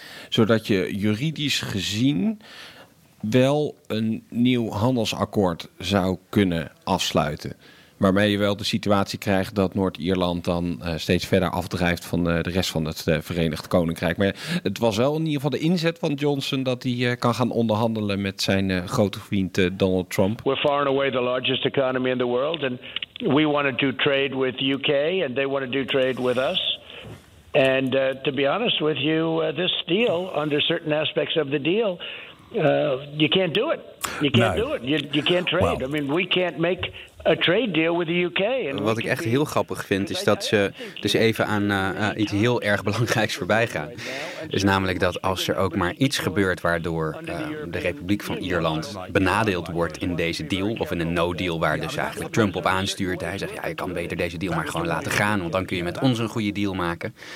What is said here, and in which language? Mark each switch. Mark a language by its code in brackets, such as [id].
[nl] Zodat je juridisch gezien wel een nieuw handelsakkoord zou kunnen afsluiten. Waarmee je wel de situatie krijgt dat Noord-Ierland dan steeds verder afdrijft van de rest van het Verenigd Koninkrijk. Maar het was wel in ieder geval de inzet van Johnson dat hij kan gaan onderhandelen met zijn grote vriend Donald Trump. [en] We're far and away the largest economy in the world. And we want to do trade with UK and they want to do trade with us. And to be honest with you, this deal, under certain aspects of the deal, you can't do it. You can't do it. You can't trade. Well. I mean, we can't make a trade deal with the UK. [nl] Wat ik echt heel grappig vind, is dat ze dus even aan iets heel erg belangrijks voorbij gaan. Is namelijk dat als er ook maar iets gebeurt waardoor de Republiek van Ierland benadeeld wordt in deze deal, of in een no-deal waar dus eigenlijk Trump op aanstuurt. Hij zegt, ja, je kan beter deze deal maar gewoon laten gaan, want dan kun je met ons een goede deal maken.